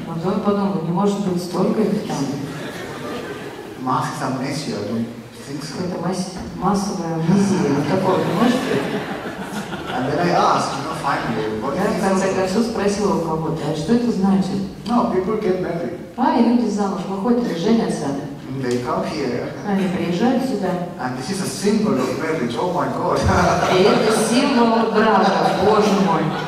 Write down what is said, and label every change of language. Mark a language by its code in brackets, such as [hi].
[ru] Вот он подумал, не может быть столько их там. [en] Masks are messy, I don't think so. [ru] Это массовая визия, вот такого не может быть. [en] And then I asked, you know, finally, what [ru] я, в конце концов, спросил у кого-то, а что это значит? [en] No, people get married. [ru] А, и люди замуж выходят, женятся. [en] They come here. [ru] Они приезжают сюда. [en] And this is a symbol of marriage. Oh my God. [ru] И это символ брака. Боже мой.